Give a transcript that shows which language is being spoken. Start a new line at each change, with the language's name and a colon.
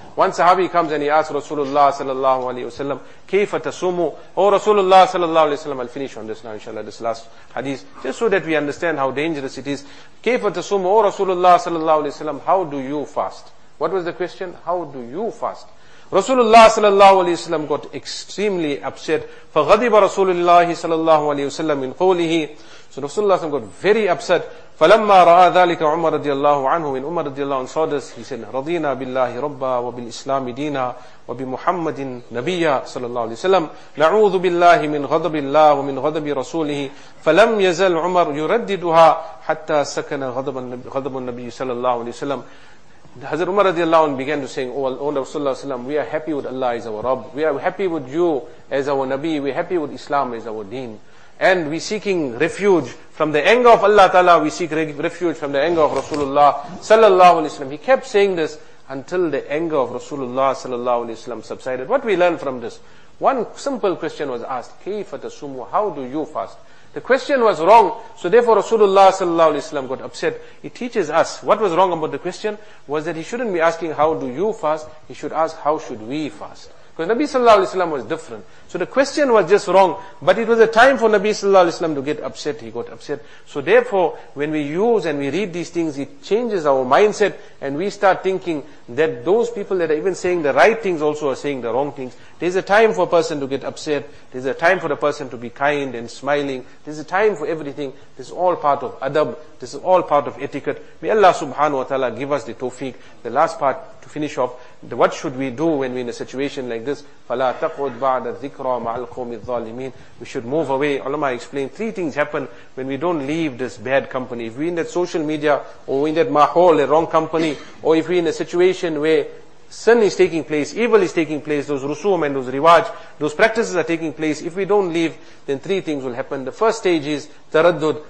English: One sahabi comes and he asks Rasulullah sallallahu alayhi wasallam, كَيْفَ تَسُومُ Oh Rasulullah sallallahu alayhi wasallam, I'll finish on this now inshallah, this last hadith, just so that we understand how dangerous it is. كَيْفَ تَسُومُ Oh Rasulullah sallallahu alayhi wasallam, how do you fast? What was the question? How do you fast? Rasulullah sallallahu alayhi wasallam got extremely upset.
Arabic: فَغَضِبَ رَسُولُ اللَّهِ sallallahu alayhi wasallam مِنْ قَوْلِهِ So Rasulullah got very upset. فَلَمَّا رَآ ذَلِكَ عُمَرَ رَضِيَ اللَّهُ عَنْهُ When Umar رضي الله عنه saw this, he said, رَضِينَا بِاللَّهِ رَبَّا وَبِالْإِسْلَامِ دِينَا وَبِمُحَمَّدٍ نَبِيًّا صلى الله عليه وسلم نَعُوذُ بِاللَّهِ مِنْ غَضَبِ اللَّهِ وَمِنْ غَضَبِ رَسُولِهِ فَلَمْ يَزَلْ عُمَرْ يُرَدِّدُهَا حَتَّى سَكَنَ غَضَبُ النَّبِيِّ صلى الله عليه وسلم Hazrat Umar radiallahu anhu began to say, Oh Rasulullah, we are happy with Allah as our Rabb.
English: We are happy with you as our Nabi. We are happy with Islam as our Deen. And we are seeking refuge from the anger of Allah Ta'ala. We seek refuge from the anger of Rasulullah sallallahu alayhi wa sallam. He kept saying this until the anger of Rasulullah sallallahu alayhi wa sallam subsided. What we learn from this? One simple question was asked, كيف تصوموا? How do you fast? The question was wrong, so therefore Rasulullah sallallahu alayhi wa sallam got upset. It teaches us, what was wrong about the question, was that he shouldn't be asking how do you fast, he should ask how should we fast. Because Nabi sallallahu alayhi wa sallam was different. So the question was just wrong, but it was a time for Nabi sallallahu alayhi wa sallam to get upset, he got upset. So therefore, when we use and we read these things, it changes our mindset, and we start thinking that those people that are even saying the right things also are saying the wrong things. There's a time for a person to get upset. There's a time for a person to be kind and smiling. There's a time for everything. This is all part of adab. This is all part of etiquette. May Allah subhanahu wa ta'ala give us the tawfiq. The last part to finish off. What should we do when we're in a situation like this?
Arabic: فَلَا تَقْعُدْ بَعْدَ الذِّكْرَ مَعَ الْقَوْمِ الظَّالِمِينَ We should move away.
English: Ulama explained, three things happen when we don't leave this bad company. If we're in that social media, or we're in that mahol, a wrong company, or if we're in a situation where sin is taking place, evil is taking place, those rusum and those riwaj, those practices are taking place. If we don't leave, then three things will happen. The first stage is taraddud.